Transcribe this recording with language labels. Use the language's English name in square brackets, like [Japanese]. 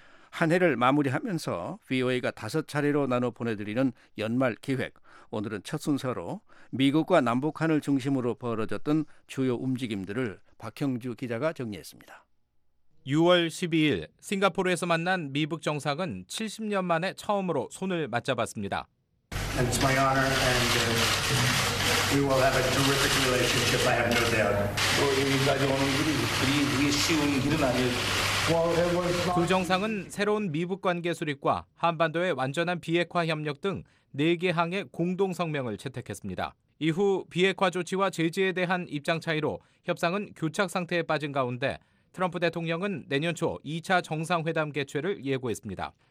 [Korean] 한 해를 마무리하면서 VOA가 다섯 차례로 나눠 보내드리는 연말 기획, 오늘은 첫 순서로 미국과 남북한을 중심으로 벌어졌던 주요 움직임들을 박형주 기자가 정리했습니다. 6월 12일 싱가포르에서 만난 미북 정상은 70년 만에 처음으로 손을 맞잡았습니다. [English] It's my honor and we will have a terrific relationship, I have no doubt. [Korean] 여기까지 오는 길이 그리 쉬운 길은 아니었죠. 두 정상은 새로운 미북 관계 수립과 한반도의 완전한 비핵화 협력 등 4개 항의 공동 성명을 채택했습니다. 이후 비핵화 조치와 제재에 대한 입장 차이로 협상은 교착 상태에 빠진 가운데 트럼프 대통령은 내년 초 2차 정상회담 개최를 예고했습니다.